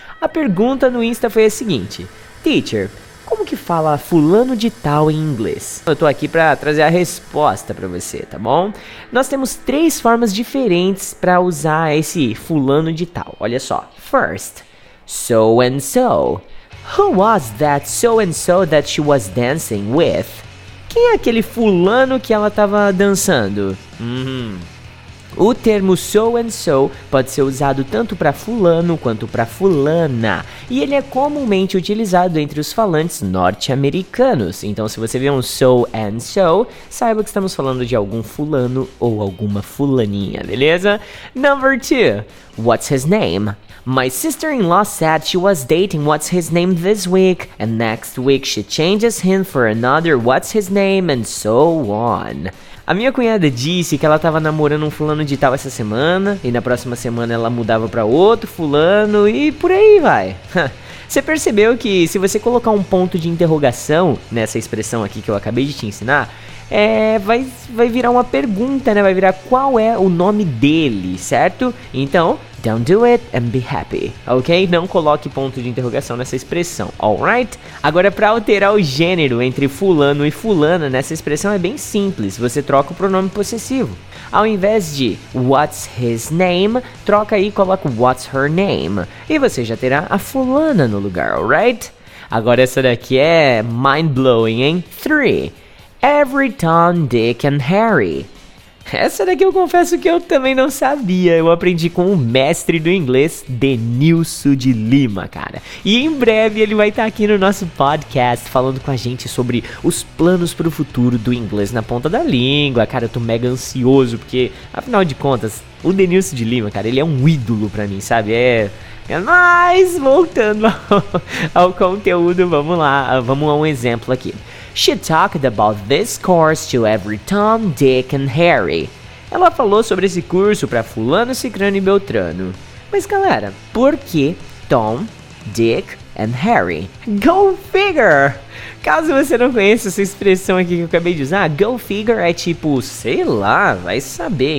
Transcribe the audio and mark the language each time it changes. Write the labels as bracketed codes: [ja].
[pt] A pergunta no Insta foi a seguinte: Teacher, como que fala fulano de tal em inglês? Eu tô aqui pra trazer a resposta pra você, tá bom? Nós temos três formas diferentes pra usar esse fulano de tal. Olha só. [en] First, so and so. Who was that so and so that she was dancing with? [pt] Quem é aquele fulano que ela tava dançando? O termo so and so pode ser usado tanto para fulano quanto para fulana, e ele é comumente utilizado entre os falantes norte-americanos. Então, se você vê um so and so, saiba que estamos falando de algum fulano ou alguma fulaninha, beleza? [en] Number 2. What's his name? My sister-in-law said she was dating what's his name this week, and next week she changes him for another what's his name and so on. [pt] A minha cunhada disse que ela tava namorando um fulano de tal essa semana, e na próxima semana ela mudava pra outro fulano, e por aí vai. Você percebeu que se você colocar um ponto de interrogação nessa expressão aqui que eu acabei de te ensinar, vai virar uma pergunta, né? Vai virar qual é o nome dele, certo? [en] Então, don't do it and be happy, ok? [pt] Não coloque ponto de interrogação nessa expressão, alright? Agora, pra alterar o gênero entre fulano e fulana, nessa expressão é bem simples. Você troca o pronome possessivo. Ao invés de what's his name, troca aí e coloca what's her name. E você já terá a fulana no lugar, alright? Agora essa daqui é mind-blowing, hein? 3. [en] Every Tom, Dick and Harry. [pt] Essa daqui eu confesso que eu também não sabia. Eu aprendi com o mestre do inglês, Denilson de Lima, cara. E em breve ele vai estar aqui no nosso podcast falando com a gente sobre os planos para o futuro do inglês na ponta da língua. Cara, eu tô mega ansioso porque, afinal de contas, o Denilson de Lima, cara, ele é um ídolo pra mim, sabe? Mas, voltando ao conteúdo, vamos lá, vamos a um exemplo aqui. [en] She talked about this course to every Tom, Dick and Harry. [pt] Ela falou sobre esse curso para fulano, cicrano e beltrano. Mas galera, por que Tom, Dick and Harry? [en] Go figure! [pt] Caso você não conheça essa expressão aqui que eu acabei de usar, go figure é tipo, sei lá, vai saber.